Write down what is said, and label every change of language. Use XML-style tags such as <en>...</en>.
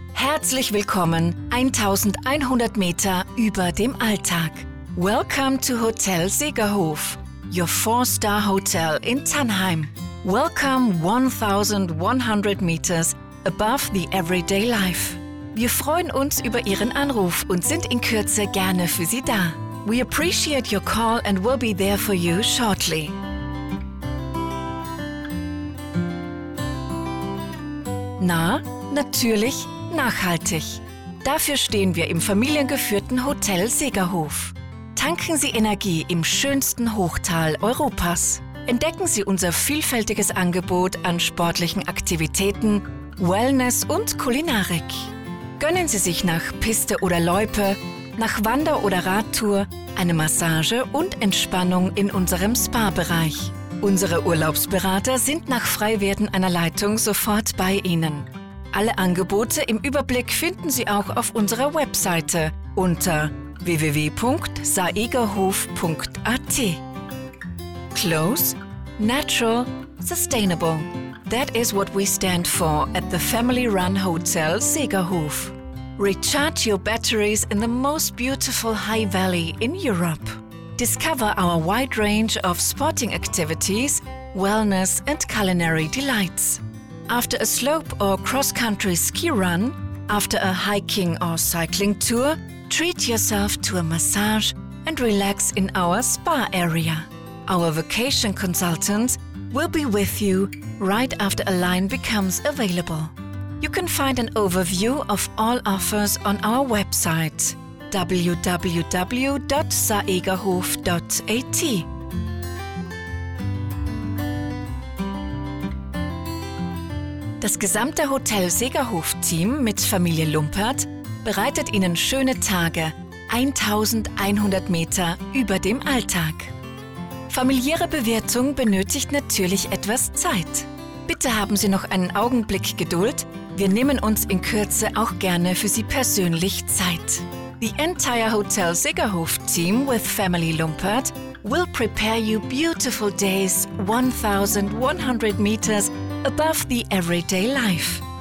<de>Herzlich willkommen 1100 Meter über dem Alltag.</de> <en>Welcome to Hotel Segerhof, your 4-Star Hotel in Tannheim. Welcome 1100 Meters above the everyday life.</en> <de>Wir freuen uns über Ihren Anruf und sind in Kürze gerne für Sie da.</de> <en>We appreciate your call and will be there for you shortly.</en> <de>Na, natürlich nachhaltig. Dafür stehen wir im familiengeführten Hotel Segerhof. Tanken Sie Energie im schönsten Hochtal Europas. Entdecken Sie unser vielfältiges Angebot an sportlichen Aktivitäten, Wellness und Kulinarik. Gönnen Sie sich nach Piste oder Loipe, nach Wander- oder Radtour, eine Massage und Entspannung in unserem Spa-Bereich. Unsere Urlaubsberater sind nach Freiwerden einer Leitung sofort bei Ihnen. Alle Angebote im Überblick finden Sie auch auf unserer Webseite unter www.saegerhof.at.</de> <en>Close, natural, sustainable. That is what we stand for at the family-run hotel Segerhof. Recharge your batteries in the most beautiful high valley in Europe. Discover our wide range of sporting activities, wellness and culinary delights. After a slope or cross-country ski run, after a hiking or cycling tour, treat yourself to a massage and relax in our spa area. Our vacation consultants will be with you right after a line becomes available. You can find an overview of all offers on our website www.saegerhof.at.</en> <de>Das gesamte Hotel Segerhof-Team mit Familie Lumpert bereitet Ihnen schöne Tage 1100 Meter über dem Alltag. Familiäre Bewirtung benötigt natürlich etwas Zeit. Bitte haben Sie noch einen Augenblick Geduld. Wir nehmen uns in Kürze auch gerne für Sie persönlich Zeit.</de> <en>The entire Hotel Segerhof team with Family Lumpert will prepare you beautiful days 1100 meters above the everyday life.</en>